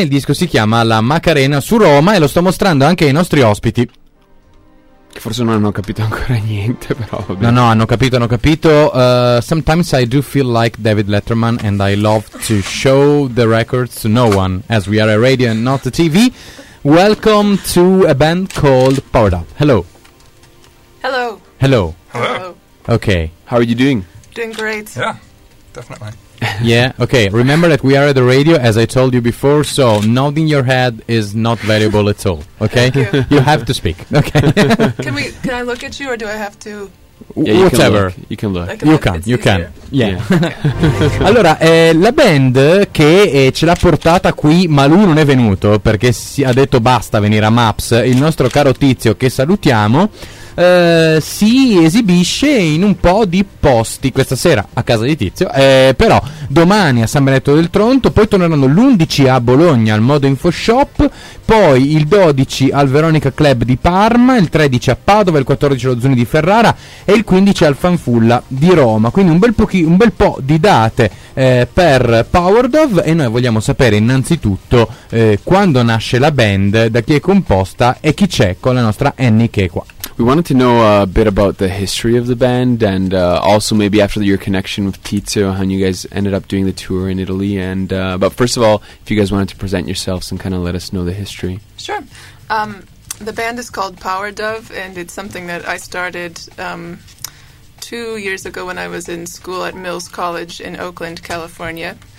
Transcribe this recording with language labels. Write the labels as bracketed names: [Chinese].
[Italian] Il disco si chiama La Macarena su Roma. E lo sto mostrando anche ai nostri ospiti, che forse non hanno capito ancora niente, però vabbè. No, hanno capito. [English] Sometimes I do feel like David Letterman, and I love to show the records to no one, as we are a radio and not a TV. Welcome to a band called Powered Up. Hello. Hello. Hello. Hello. Okay. How are you doing? Doing great. Yeah, definitely. Yeah, okay. Remember that we are at the radio, as I told you before, so nodding your head is not valuable at all, okay? You have to speak, okay? Can I look at you, or do I have to... Yeah, whatever, you can look. You can. Yeah. [Italian] Allora, la band che ce l'ha portata qui, ma lui non è venuto perché si ha detto basta venire a MAPS, il nostro caro tizio che salutiamo, si esibisce in un po' di posti questa sera a casa di tizio, però domani a San Benedetto del Tronto, poi torneranno l'11 a Bologna al Modo Info Shop, poi il 12 al Veronica Club di Parma, il 13 a Padova, il 14 allo Zuni di Ferrara e il 15 al Fanfulla di Roma. Quindi un bel po' di date per Powered Up. E noi vogliamo sapere innanzitutto quando nasce la band, da chi è composta e chi c'è con la nostra Annie che è qua. [English] We wanted to know a bit about the history of the band, and also maybe after your connection with Tizio, how you guys ended up doing the tour in Italy. And but first of all, if you guys wanted to present yourselves and kind of let us know the history. Sure. The band is called Power Dove, and it's something that I started 2 years ago when I was in school at Mills College in Oakland, California.